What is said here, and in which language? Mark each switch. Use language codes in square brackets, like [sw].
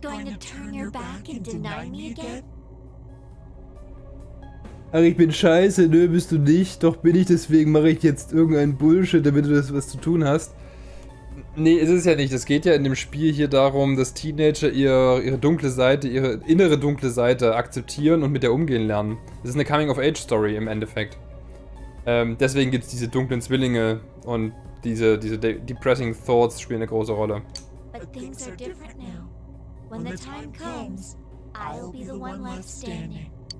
[en] So you're just going to turn your back and deny me again? [de] Ach, ich bin scheiße, nö, bist du nicht. Doch bin ich, deswegen mache ich jetzt irgendeinen Bullshit, damit du das was zu tun hast. Nee, ist es ja nicht. Es geht ja in dem Spiel hier darum, dass Teenager ihre innere dunkle Seite akzeptieren und mit der umgehen lernen. Es ist eine Coming-of-Age-Story im Endeffekt. Deswegen gibt es diese dunklen Zwillinge und diese [en] depressing thoughts [de] spielen eine große Rolle. [en] But things are different now. When the time comes, I'll be the one left standing.